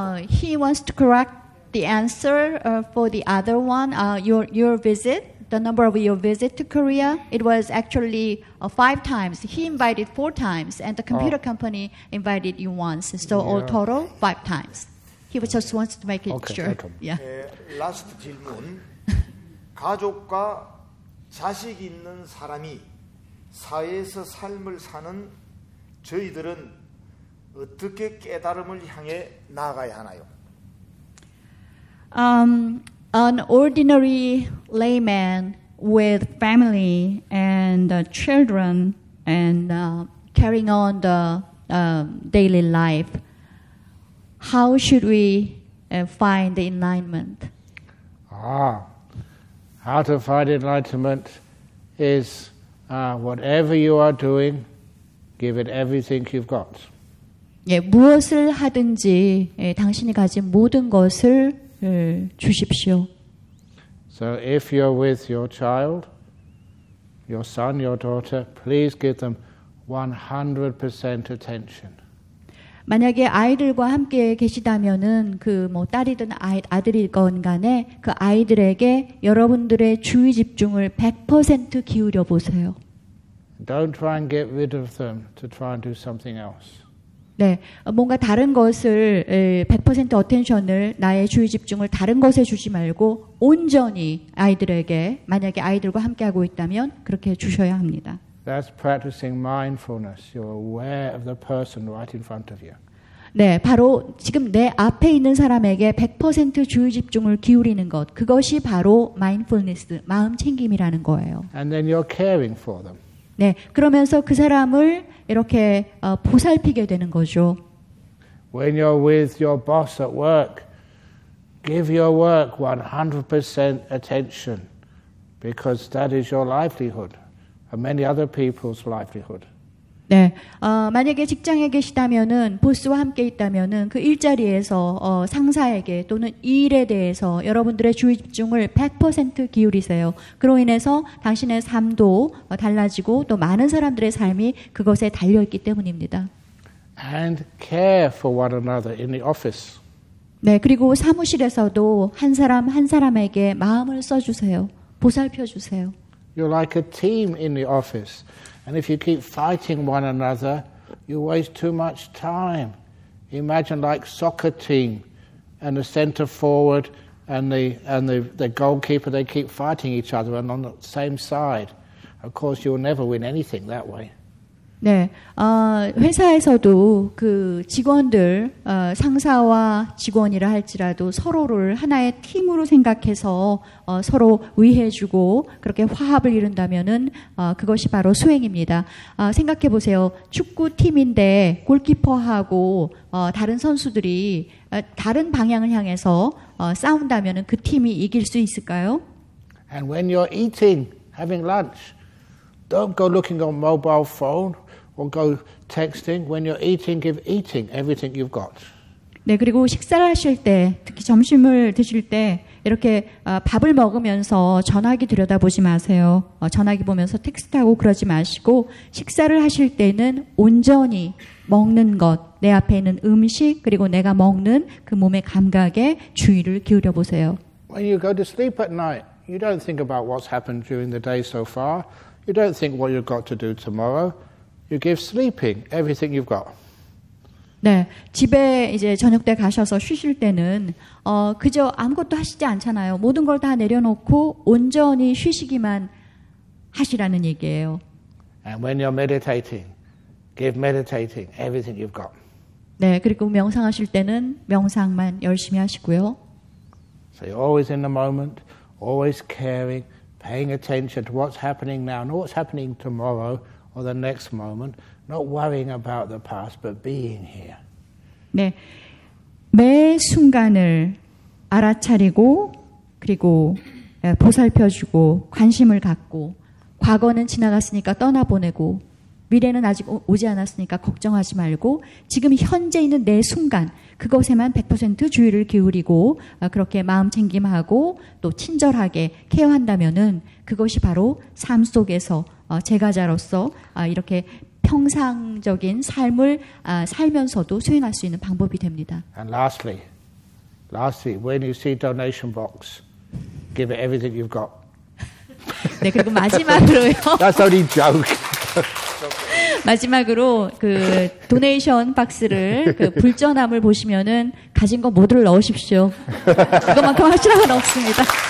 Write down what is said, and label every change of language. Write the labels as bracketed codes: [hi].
[en] He wants to correct the answer for the other one, your visit, the number of your visit to Korea, it was actually five times. He invited four times, and the computer company invited you once. So all total, five times. He just wants to make it sure. Last [ko] 질문. 가족과 자식 있는 사람이 사회에서 삶을 사는 저희들은 어떻게 깨달음을 향해 나아가야 하나요? [en] An ordinary layman with family and children and carrying on the daily life, how should we find the enlightenment? How to find enlightenment is whatever you are doing, give it everything you've got. [ko] 예, 무엇을 하든지 당신이 가진 모든 것을 주십시오. [en] So if you're with your child, your son, your daughter, please give them 100% attention. [ko] 만약에 아이들과 함께 계시다면은 그 뭐 딸이든 아들이건 간에 그 아이들에게 여러분들의 주의 집중을 100% 기울여 보세요. [en] Don't try and get rid of them to try and do something else. [ko] 네, 뭔가 다른 것을 100% 어텐션을 나의 주의 집중을 다른 것에 주지 말고 온전히 아이들에게 만약에 아이들과 함께하고 있다면 그렇게 주셔야 합니다. [en] That's practicing mindfulness. You're aware of the person right in front of you. [ko] 네, 바로 지금 내 앞에 있는 사람에게 100% 주의 집중을 기울이는 것, 그것이 바로 mindfulness, 마음 챙김이라는 거예요. [en] And then you're caring for them. [ko] 네, 그러면서 그 사람을 이렇게 보살피게 되는 거죠. [en] When you're with your boss at work, give your work 100% attention because that is your livelihood and many other people's livelihood. [ko] 네. 만약에 직장에 계시다면은 보스와 함께 있다면은 그 일자리에서 상사에게 또는 일에 대해서 여러분들의 주의 집중을 100% 기울이세요. 그로 인해서 당신의 삶도 달라지고 또 많은 사람들의 삶이 그것에 달려 있기 때문입니다. [en] And care for one another in the office. [ko] 네, 그리고 사무실에서도 한 사람 한 사람에게 마음을 써 주세요. 보살펴 주세요. [en] You're like a team in the office. And if you keep fighting one another, you waste too much time. Imagine like soccer team and the center forward and the goalkeeper, they keep fighting each other and on the same side. Of course, you'll never win anything that way. [ko] 네, 회사에서도 그 직원들, 상사와 직원이라 할지라도 서로를 하나의 팀으로 생각해서 서로 위해주고 그렇게 화합을 이룬다면은 그것이 바로 수행입니다. 생각해 보세요. 축구 팀인데 골키퍼하고 다른 선수들이 다른 방향을 향해서 싸운다면은 그 팀이 이길 수 있을까요? [en] And when you're eating, having lunch, don't go looking on mobile phone. Or go texting. When you're eating, give everything you've got. [ko] 네, 그리고 식사를 하실 때, 특히 점심을 드실 때 이렇게 밥을 먹으면서 전화기 들여다보지 마세요. 전화기 보면서 텍스트하고 그러지 마시고 식사를 하실 때는 온전히 먹는 것, 내 앞에 있는 음식, 그리고 내가 먹는 그 몸의 감각에 주의를 기울여 보세요. [en] When you go to sleep at night, you don't think about what's happened during the day so far. You don't think what you've got to do tomorrow. You give sleeping everything you've got. [ko] 네, 집에 이제 저녁 때 가셔서 쉬실 때는 그저 아무것도 하시지 않잖아요. 모든 걸 다 내려놓고 온전히 쉬시기만 하시라는 얘기예요. [en] And when you're meditating, give meditating everything you've got. [ko] 네, 그리고 명상하실 때는 명상만 열심히 하시고요. [en] So you're always in the moment, always caring, paying attention to what's happening now, not what's happening tomorrow or the next moment. Not worrying about the past, but being here. [ko] 네, 매 순간을 알아차리고 그리고 보살펴주고 관심을 갖고 과거는 지나갔으니까 떠나보내고 미래는 아직 오지 않았으니까 걱정하지 말고 지금 현재 있는 내 순간 그것에만 100% 주의를 기울이고 그렇게 마음 챙김하고 또 친절하게 케어한다면은 그것이 바로 삶 속에서 제가자로서 이렇게 평상적인 삶을 살면서도 수행할 수 있는 방법이 됩니다. [en] And lastly, when you see donation box, give it everything you've got. [ko] 네, 그리고 마지막으로요. [en] That's only joke. [ko] 마지막으로 그 도네이션 박스를 그 불전함을 보시면은 가진 거 모두를 넣으십시오. 그것만큼 하시라고 넣습니다.